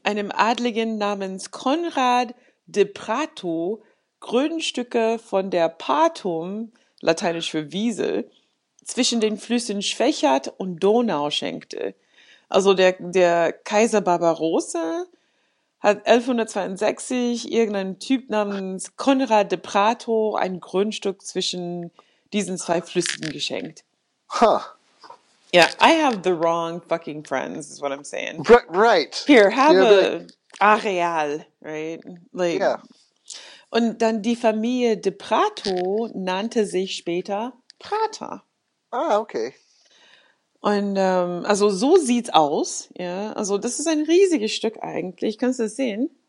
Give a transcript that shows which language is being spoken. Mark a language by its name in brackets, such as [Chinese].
[German] einem Adligen namens Konrad de Prato, Grundstücke von der Patum, lateinisch für Wiesel, zwischen den Flüssen Schwechat und Donau schenkte. Also der Kaiser Barbarossa hat 1162 irgendein Typ namens Konrad de Prato ein Grundstück zwischen diesen zwei Flüssen geschenkt. Huh. [English] Ja, yeah, I have the wrong fucking friends, is what I'm saying. Right. Here, Yeah, but have a Areal, right? Like, yeah. [German] und dann die Familie de Prato nannte sich später Prater. Ah, okay. Und also so sieht's aus, ja. Also das ist ein riesiges Stück eigentlich. Kannst du es sehen?